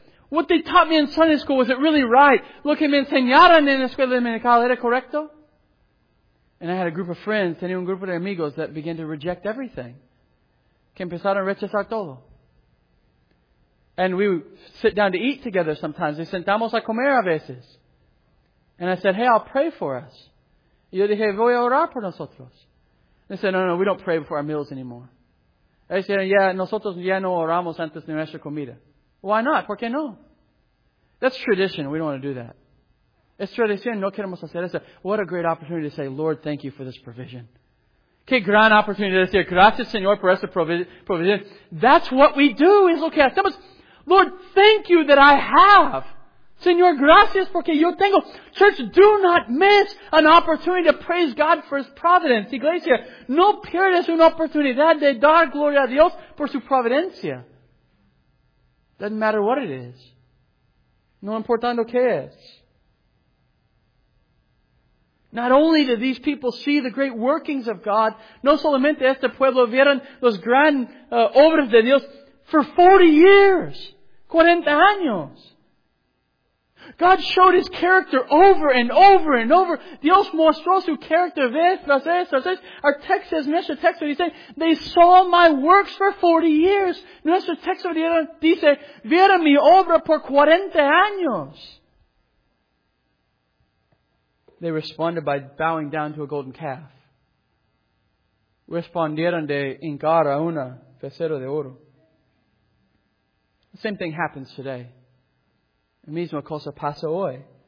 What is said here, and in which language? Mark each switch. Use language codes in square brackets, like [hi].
[en] What they taught me in Sunday school, was it really right? [es] Lo que me enseñaron en la escuela dominical, ¿era correcto? [en] And I had a group of friends, [es] tenía un grupo de amigos [en] that began to reject everything. [es] Que empezaron a rechazar todo. [en] And we would sit down to eat together sometimes. [es] Y sentamos a comer a veces. [en] And I said, hey, I'll pray for us. [es] Y yo dije, voy a orar por nosotros. [en] They said, no, we don't pray before our meals anymore. They said, yeah, [es] nosotros ya no oramos antes de nuestra comida. [en] Why not? [es] ¿Por qué no? [en] That's tradition. We don't want to do that. [es] Es tradición, no queremos hacer eso. [en] What a great opportunity to say, Lord, thank you for this provision. [es] Qué gran oportunidad de decir, gracias Señor por esta provisión. [en] That's what we do, [es] es lo que hacemos. [en] Lord, thank you that I have. [es] Señor, gracias porque yo tengo. [en] Church, do not miss an opportunity to praise God for His providence. [es] Iglesia, no pierdas una oportunidad de dar gloria a Dios por su providencia. [en] Doesn't matter what it is. [es] No importando qué es. [en] Not only did these people see the great workings of God, [es] no solamente este pueblo vieron los gran obras de Dios [en] for 40 years. [es] 40 años. [en] God showed His character over and over and over. [es] Dios mostró su carácter vez tras vez tras vez. [en] Our text says, [es] nuestro texto dice, [en] they saw my works for 40 years. [es] Nuestro texto dice, vieron mi obra por 40 años. [en] They responded by bowing down to a golden calf. [es] Respondieron de hincar a una becerra de oro. [en] The same thing happens today. [es] La misma cosa pasa hoy.